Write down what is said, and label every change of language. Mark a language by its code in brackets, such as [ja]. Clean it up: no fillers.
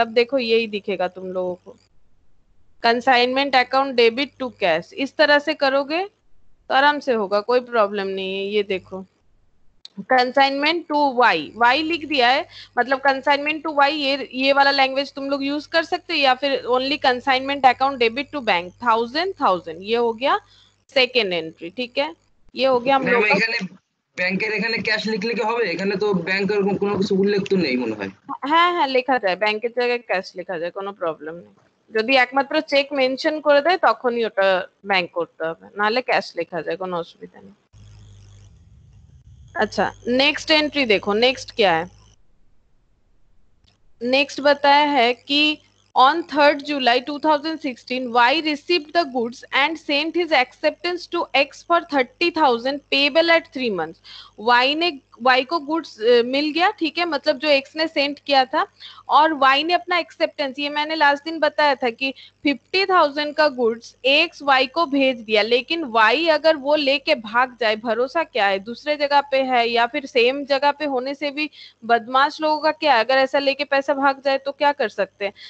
[hi] अब देखो यही दिखेगा तुम लोगों को, consignment account debit to cash, इस तरह से करोगे तो आराम से होगा, कोई प्रॉब्लम नहीं है। ये देखो कंसाइनमेंट टू वाई, वाई लिख दिया है, मतलब कंसाइनमेंट टू वाई, ये वाला लैंग्वेज तुम लोग यूज कर सकते हो, या फिर only consignment account debit to bank, thousand thousand, ये हो गया सेकेंड एंट्री, ठीक है, ये हो गया। हम लोग [bn] ব্যাংকের এখানে ক্যাশ লিখলে কি হবে, এখানে তো ব্যাংকের কোনো কিছু উল্লেখ তো নেই মনে হয়। হ্যাঁ হ্যাঁ লেখা যায়, ব্যাংকের জায়গায় ক্যাশ লেখা যায়, কোনো প্রবলেম নেই, যদি একমাত্র চেক মেনশন করে দেয় তখনই ওটা ব্যাংক করতে হবে, নাহলে ক্যাশ লেখা যায়, কোনো অসুবিধা নেই। আচ্ছা নেক্সট এন্ট্রি দেখো, নেক্সট কি আছে, [en] next [hi] বতায়া হ্যায় কি [en] On 3rd July 2016 Y received the goods and sent his acceptance to X for 30,000 payable at 3 months. [hi] Y নে वाई को गुड्स मिल गया, ठीक है, मतलब जो एक्स ने सेंड किया था, और वाई ने अपना एक्सेप्टेंस, ये मैंने लास्ट दिन बताया था कि 50,000 का गुड्स एक्स वाई को भेज दिया, लेकिन वाई अगर वो लेके भाग जाए, भरोसा क्या है, दूसरे जगह पे है या फिर सेम जगह पे होने से भी बदमाश लोगों का क्या, अगर ऐसा लेके पैसा भाग जाए तो क्या कर सकते हैं।